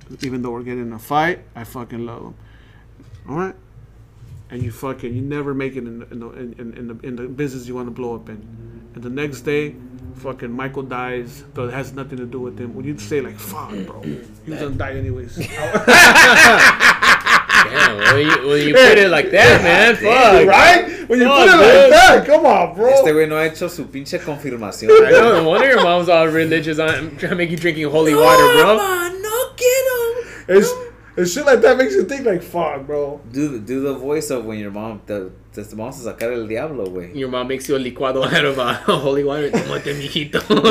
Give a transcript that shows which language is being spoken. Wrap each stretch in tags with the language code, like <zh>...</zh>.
<en>Even though we're getting in a fight, I fucking love him. All right, and you never make it in the business you want to blow up in, and the next day, fucking Michael dies, but it has nothing to do with him. Would you say like, fuck, bro, he's gonna die anyways? Damn, when you put it like that, man, fuck, right? When you put it like that, come on, bro.</en> <es>Este güey no ha hecho su pinche confirmación.</es> <en>I know, no wonder your mom's all religious. I'm trying to make you drinking holy water, bro. No get him. And shit like that makes you think like, fuck, bro. Do the voice of when your mom, the mom says,</en> <es>sacar el diablo, güey.</es> <en>Your mom makes you a licuado out of a holy water.</en> <es>Como te, mijito.</es>